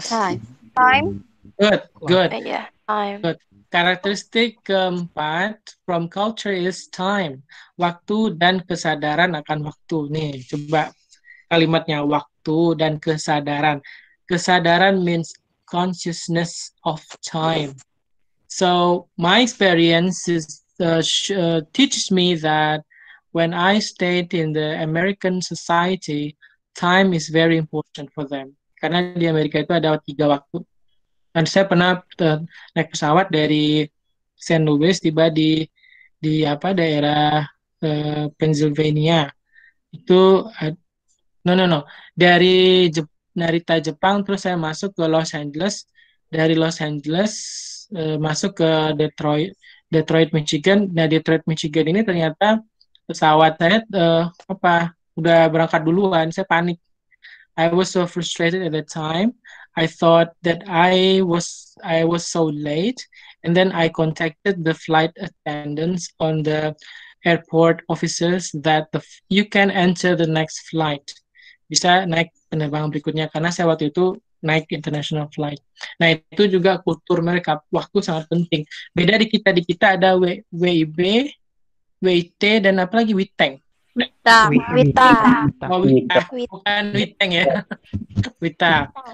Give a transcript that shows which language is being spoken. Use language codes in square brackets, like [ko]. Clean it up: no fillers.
[en] Time. Good. Time. Good. [id] Karakteristik keempat [en] from culture is time. [id] Waktu dan kesadaran akan waktu. Nih, coba kalimatnya waktu dan kesadaran. Kesadaran [en] means consciousness of time. So, my experience is teaches me that when I stayed in the American society, time is very important for them. [id] Karena di Amerika itu ada tiga waktu. Dan saya pernah naik pesawat dari St. Louis, tiba di apa daerah Pennsylvania. Itu dari Narita Jepang, terus saya masuk ke Los Angeles. Dari Los Angeles masuk ke Detroit, Michigan. Nah, Detroit, Michigan ini ternyata pesawat saya udah berangkat duluan. Saya panik. [en] I was so frustrated at that time. I thought that I was so late. And then I contacted the flight attendants on the airport offices that you can enter the next flight. [id] Bisa naik penerbangan berikutnya, karena saya waktu itu naik [en] international flight. [id] Nah, itu juga kultur mereka, waktu sangat penting. Beda di kita ada WIB, WIT, dan apa lagi? WITENG. WITA. Oh, WITA. Bukan WITENG ya. WITA.